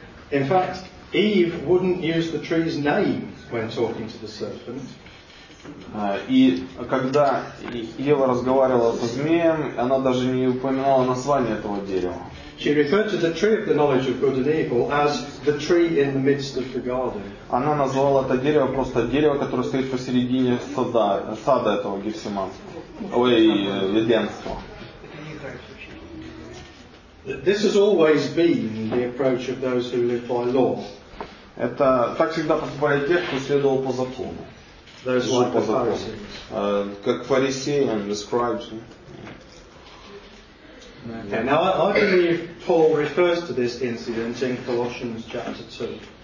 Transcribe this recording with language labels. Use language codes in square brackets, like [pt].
[en] In fact, Eve wouldn't use the tree's name when talking to the serpent. [ru] И когда Ева разговаривала со змеем, она даже не упоминала название этого дерева. [en] She referred to the tree of the knowledge of good and evil as the tree in the midst of the garden. [ru] Она назвала это дерево просто дерево, которое стоит посередине сада этого Гефсиманского. Ой, Эдемского. [en] This has always been the approach of those who live by law. [ru] Это так всегда поступали те, кто следовал по закону. Как фарисеи [en] and the scribes. Okay. Now I believe Paul refers to this incident in Colossians chapter 2.